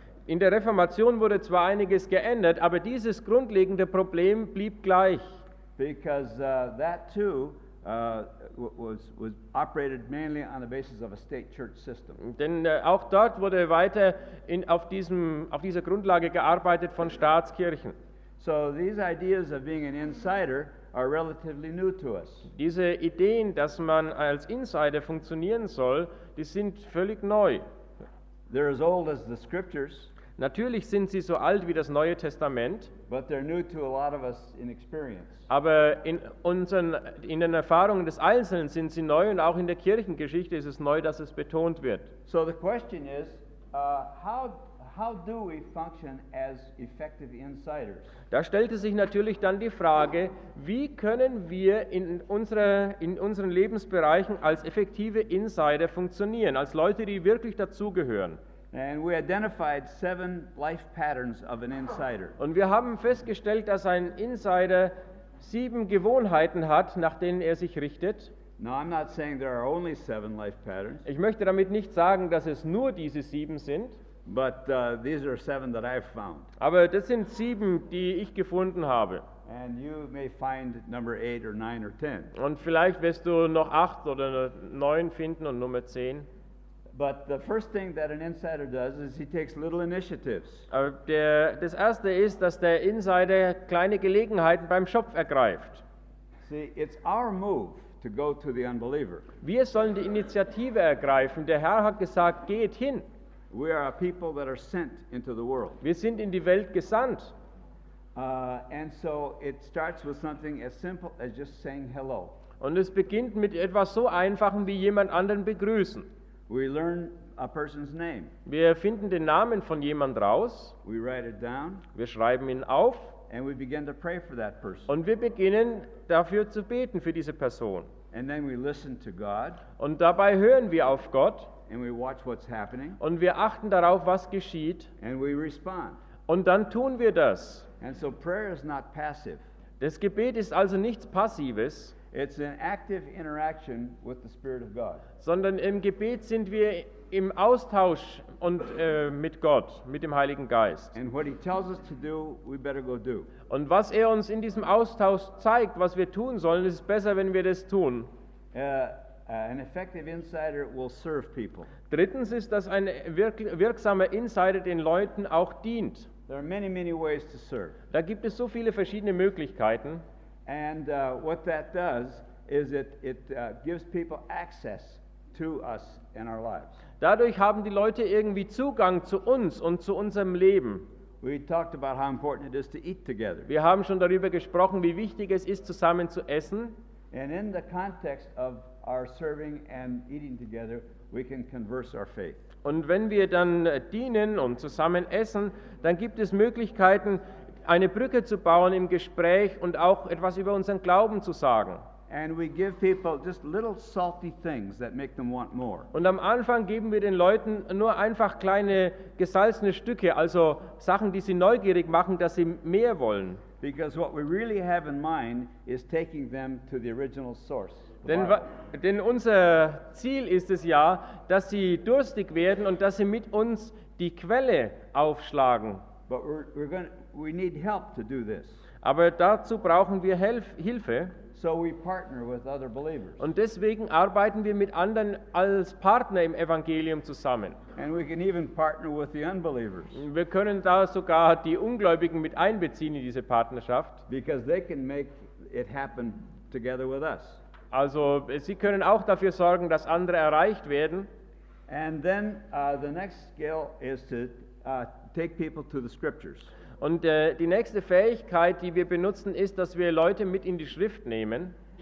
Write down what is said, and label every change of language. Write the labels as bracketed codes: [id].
[de] In der Reformation wurde zwar einiges geändert, aber dieses grundlegende Problem blieb gleich. [en] Because that too was operated mainly on the basis of a state church system. [de] Denn auch dort wurde weiter auf dieser Grundlage gearbeitet von Staatskirchen. [en] So these ideas of being an insider are relatively new to us. [de] Diese Ideen, dass man als Insider funktionieren soll, die sind völlig neu. [en] They're as old as the scriptures. [de] Natürlich sind sie so alt wie das Neue Testament. [en] But they're new to a lot of us in experience. [de] Aber in den Erfahrungen des Einzelnen sind sie neu und auch in der Kirchengeschichte ist es neu, dass es betont wird. [en] So the question is, how do we function as effective insiders? [de] Da stellte sich natürlich dann die Frage, wie können wir in unseren Lebensbereichen als effektive Insider funktionieren, als Leute, die wirklich dazugehören? [en] And we identified 7 life patterns of an insider. [de] Und wir haben festgestellt, dass ein Insider 7 Gewohnheiten hat, nach denen er sich richtet. [en] Now I'm not saying there are only 7 life patterns. [de] Ich möchte damit nicht sagen, dass es nur diese 7 sind. [en] But these are 7 that I've found. [de] Aber das sind 7, die ich gefunden habe. [en] And you may find number 8 or 9 or 10. [de] Und vielleicht wirst du noch 8 oder 9 finden und Nummer 10. [en] But the first thing that an insider does is he takes little initiatives. [de] Das erste ist, dass der Insider kleine Gelegenheiten beim Schopf ergreift. [en] See, it's our move to go to the unbeliever. [de] Wir sollen die Initiative ergreifen. Der Herr hat gesagt, geht hin. [en] We are a people that are sent into the world. [de] Wir sind in die Welt gesandt. [en] And so it starts with something as simple as just saying hello. [de] Und es beginnt mit etwas so einfachem wie jemand anderen begrüßen. [en] We learn a person's name. [de] Wir finden den Namen von jemand raus. [en] We write it down. [de] Wir schreiben ihn auf. [en] And we begin to pray for that person. [de] Und wir beginnen dafür zu beten für diese Person. [en] And then we listen to God. [de] Und dabei hören wir auf Gott. [en] And we watch what's happening. [de] Und wir achten darauf, was geschieht. [en] And we respond. [de] Und dann tun wir das. [en] And so prayer is not passive. [de] Das Gebet ist also nichts Passives. [en] It's an active interaction with the Spirit of God. [de] Sondern im Gebet sind wir im Austausch und mit Gott, mit dem Heiligen Geist. [en] And what he tells us to do, we better go do. [de] Und was er uns in diesem Austausch zeigt, was wir tun sollen, ist besser, wenn wir das tun. [en] An effective insider will serve people. [de] Drittens ist, dass ein wirksamer Insider den Leuten auch dient. [en] There are many, many ways to serve. [de] Da gibt es so viele verschiedene Möglichkeiten. [en] And what that does is it gives people access to us in our lives. [de] Dadurch haben die Leute irgendwie Zugang zu uns und zu unserem Leben. [en] We talked about how important it is to eat together. [de] Wir haben schon darüber gesprochen, wie wichtig es ist, zusammen zu essen. [en] And in the context of our serving and eating together, we can converse our faith. [de] Und wenn wir dann dienen und zusammen essen, dann gibt es Möglichkeiten, eine Brücke zu bauen im Gespräch und auch etwas über unseren Glauben zu sagen. [en] And we give people just little salty things that make them want more. [de] Und am Anfang geben wir den Leuten nur einfach kleine gesalzene Stücke, also Sachen, die sie neugierig machen, dass sie mehr wollen. [en] Because what we really have in mind is taking them to the original source. [de] Denn unser Ziel ist es ja, dass sie durstig werden und dass sie mit uns die Quelle aufschlagen. [en] But we need help to do this. [de] Aber dazu brauchen wir Hilfe. [en] So we partner with other believers. [de] Und deswegen arbeiten wir mit anderen als Partner im Evangelium zusammen. [en] And we can even partner with the unbelievers. [de] Wir können da sogar die Ungläubigen mit einbeziehen in diese Partnerschaft. [en] Because they can make it happen together with us. [de] Also sie können auch dafür sorgen, dass andere erreicht werden. [en] And then the next skill is to take people to the scriptures. [de] Und die nächste Fähigkeit, die wir benutzen, ist, dass wir Leute mit in die Schrift nehmen.